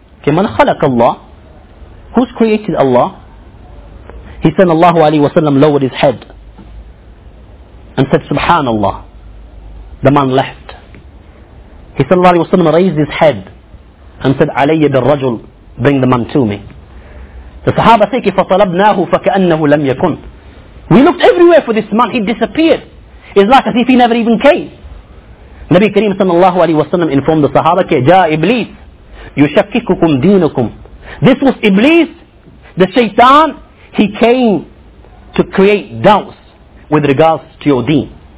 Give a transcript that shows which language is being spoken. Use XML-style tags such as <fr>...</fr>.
<en>Okay,</en> <ar>man khalaqa Allah?</ar> <en>Who's created Allah? He sallallahu alayhi wa sallam lowered his head and said, Subhanallah. The man left. He sallallahu alayhi wa sallam raised his head and said,</en> <ar>Alayya bil rajul,</ar> <en>bring the man to me. The Sahaba said,</en> <ar>فَطَلَبْنَاهُ فَكَأَنَّهُ لَمْ يَكُنْ.</ar> <en>We looked everywhere for this man. He disappeared. It's like as if he never even came. Nabi Kareem sallallahu alayhi wa sallam informed the Sahaba,</en> <ar>جَاءَ إِبْلِيسِ يُشَكِّكُكُمْ دِينُكُمْ.</ar> <en>This was Iblis, the shaitan, he came to create doubts with regards to your deen.</en>